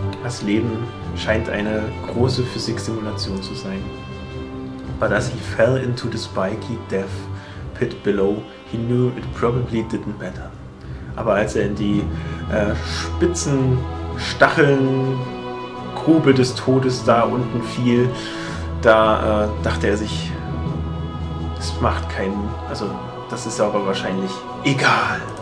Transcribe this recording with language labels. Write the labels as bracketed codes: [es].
[de] Das Leben scheint eine große Physiksimulation zu sein. [en] But as he fell into the spiky death pit below, he knew it probably didn't matter. [de] Aber als er in die spitzen Stacheln-Grube des Todes da unten fiel, da dachte er sich, es macht keinen, also das ist aber wahrscheinlich egal.